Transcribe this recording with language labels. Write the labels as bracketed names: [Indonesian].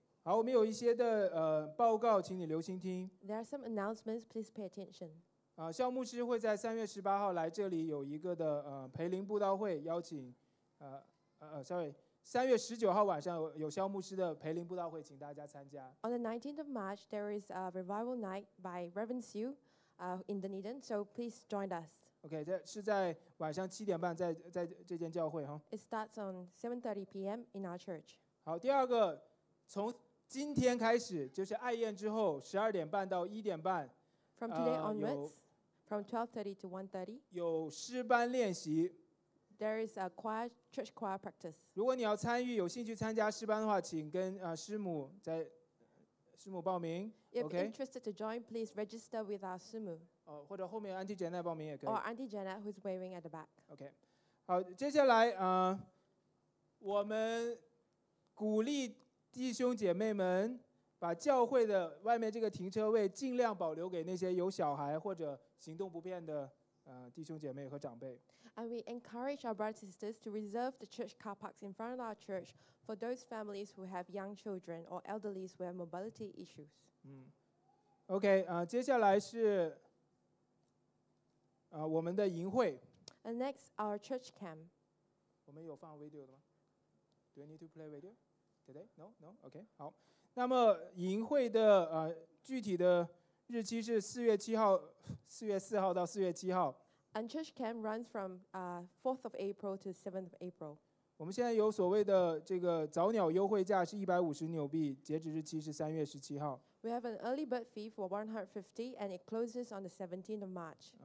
[Chinese] 好，我们有一些的报告，请你留心听。 [English] There are some announcements. Please pay attention. [Chinese] 肖牧师会在3月18号来这里有一个的培灵布道会，邀请3月19号晚上有肖牧师的培灵布道会，请大家参加。 [English] On the 19th of March, there is a revival night by Reverend Sue, in Dunedin. So please join us. [Chinese] Okay, 是在晚上7:30在这间教会哈。 [English] It starts on 7:30 p.m. in our church. [Chinese] 好，第二个，从今天开始就是爱宴之后 [English] 12:30 to 1:30。 From today onwards, from 12:30 to 1:30, [Chinese] 有诗班练习。 [English] There is a choir, church choir practice. [Chinese] 如果你要参与，有兴趣参加诗班的话，请跟师母报名。 [English] If you're interested to join, please register with our 师母。 [Chinese] 或者后面 Auntie Janet 报名也可以。 [English] Or Auntie Janet, who's waving at the back. Okay. [Chinese] 好，接下来我们鼓励弟兄姐妹们把教会的外面这个停车位尽量保留给那些有小孩或者行动不便的。弟兄姐妹和长辈。 [English] And we encourage our brothers and sisters to reserve the church car parks in front of our church for those families who have young children or elderly who have mobility issues. [Chinese] Okay, 接下来是我们的营会。 [English] And next, our church camp. [Chinese] 我们有放 video 的吗？ [English] Do we need to play video today? No? No? Okay, [Chinese] 好。那么营会的具体的日期是4月4号到4月7号。 [English] And church camp runs from 4th of April to 7th of April. [Chinese] 我们现在有所谓的这个早鸟优惠价是150纽币，截止日期是3月17号。 [English] We have an early bird fee for 150, and it closes on the 17th of March.